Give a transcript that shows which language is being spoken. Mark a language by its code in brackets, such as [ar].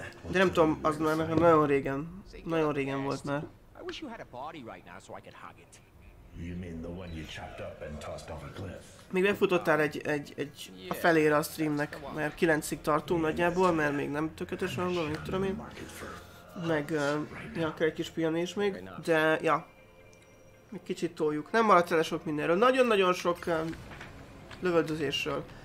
[hu] De nem tudom, az már nekem nagyon régen. Nagyon régen volt már. [en] I wish you had a body right now so I could hug it. You mean the one you chopped up and tossed off a cliff? [hu] Még befutottál egy a felére a streamnek, mert 9-ig tartunk nagyjából, mert még nem tökéletes hangol, mint tudom én. Meg, akár egy kis pihenés még, de, ja. Még kicsit toljuk. Nem maradt el sok mindenről. Nagyon-nagyon sok lövöldözésről.